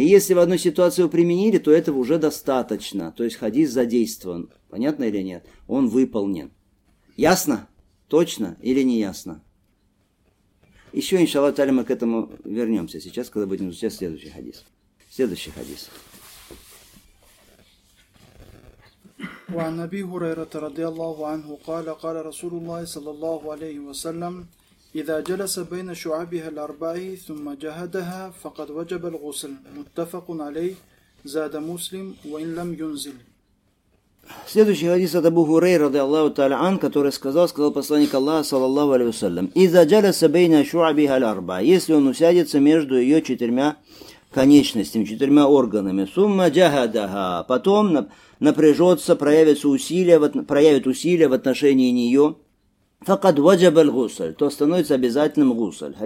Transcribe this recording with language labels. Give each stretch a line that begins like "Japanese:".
Russian: Если в одной ситуации его применили, то этого уже достаточно. То есть хадис задействован. Понятно или нет? Он выполнен. Ясно? Точно или не ясно? Еще, иншаллах, мы к этому вернемся сейчас, когда будем изучать следующий хадис. Следующий хадис.
Arabic: وَعَنَّبِي هُرَيْرَةَ رَضِيَ اللَّهُ عَنْهُ قَالَ قَالَ رَسُولُ اللَّهِ صَلَى اللَّهُ عَلَيْهِ وَسَلَّمُ إذا جلس بين شعابها الأربع ثم جهدها فقد وجب الغسل متفق عليه زاد مسلم وإن لم ينزل.
Russian: Следующий хадис от Абу Хурейры
Arabic: رضي الله تعالى عنه,
Russian: который сказал посланник Аллаха саллаллаху алейхи ва саллям:
Arabic: إذا جلس بين شعابها الأربع,
Russian: если он усядется между ее четырьмя конечностями, четырьмя органами,
Arabic: ثم جهدها,
Russian: потом напряжется, проявит усилия в отношении нее,
Arabic: فَقَدْ وَجَبَ الْغُسَلِ,
Russian: то становится обязательным гусаль.